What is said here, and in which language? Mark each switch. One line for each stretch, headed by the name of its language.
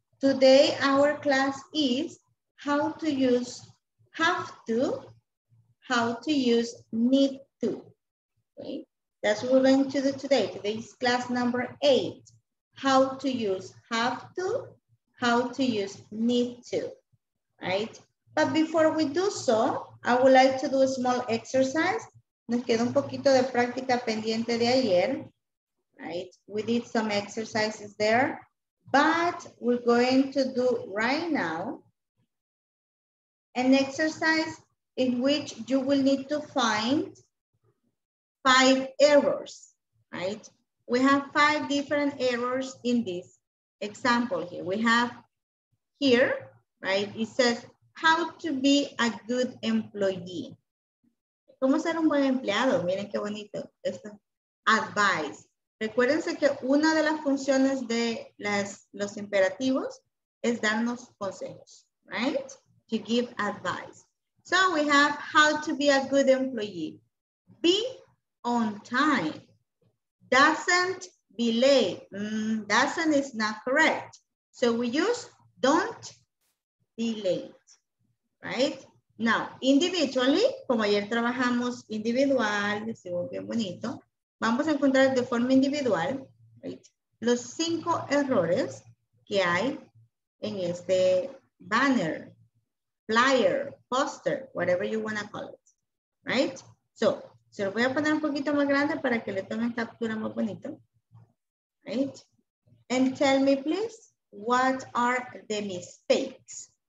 English: Today our class is how to use have to, how to use need to, okay? That's what we're going to do today. Today is class number 8, how to use have to, how to use need to, right? But before we do so, I would like to do a small exercise.
Spanish: Nos queda un poquito de práctica pendiente de ayer, right?
English: We did some exercises there, but we're going to do right now an exercise in which you will need to find 5 errors, right? We have 5 different errors in this example here. We have here, right? It says, how to be a good employee.
Spanish: ¿Cómo ser un buen empleado? Miren qué bonito. Esto. Advice. Recuérdense que una de las funciones de los imperativos es darnos consejos, right?
English: To give advice. So we have how to be a good employee. Be on time. Doesn't be late. Doesn't is not correct. So we use don't delay. Right? Now, individually,
Spanish: como ayer trabajamos individual, estuvo bien bonito, vamos a encontrar de forma individual, right, los 5 errores que hay en este banner, flyer, poster,
English: whatever you want to call it,
Spanish: right? So, se lo voy a poner un poquito más grande para que le tomen captura más bonito, right?
English: And tell me, please, what are the mistakes?